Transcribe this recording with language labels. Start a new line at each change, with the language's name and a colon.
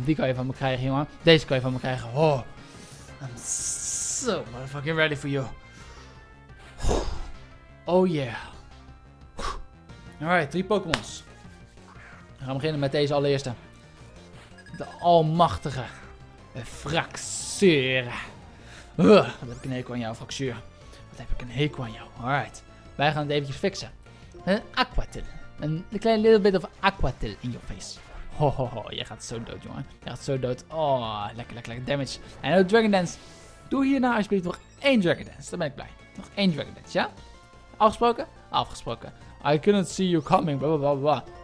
Dutch: Die kan je van me krijgen, jongen. Deze kan je van me krijgen. Oh.
English: I'm so motherfucking ready for you. Oh yeah. Alright, 3 Pokémon's.
Dutch: We gaan beginnen met deze allereerste. De almachtige Fraxure. Wat heb ik een hekel aan jou, Fraxure. Wat heb ik een hekel aan jou. Alright, wij gaan het eventjes fixen. Een Aquatil. Een klein
English: little bit of Aquatil in your face.
Dutch: Hohoho, jij gaat zo dood, jongen. Jij gaat zo dood. Oh, lekker damage. En een Dragon Dance. Doe hierna alsjeblieft nog 1 Dragon Dance. Dan ben ik blij. Nog 1 Dragon Dance, ja? Afgesproken.
English: I couldn't see you coming, blah, blah, blah, blah.